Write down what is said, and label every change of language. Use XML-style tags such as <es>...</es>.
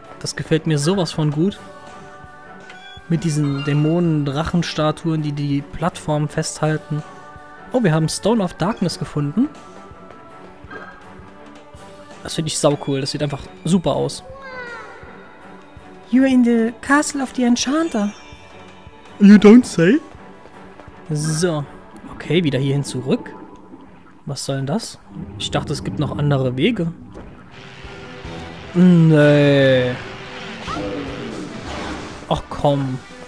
<de>Das gefällt mir sowas von gut. Mit diesen Dämonen-Drachenstatuen, die die Plattform festhalten. Oh, wir haben Stone of Darkness gefunden. Das finde ich saucool. Das sieht einfach super aus.</de> <en>You're in the castle of the Enchanter. You don't say? So.</en> <de>Okay, wieder hierhin zurück. Was soll denn das? Ich dachte, es gibt noch andere Wege. Nee. Ach komm.</de>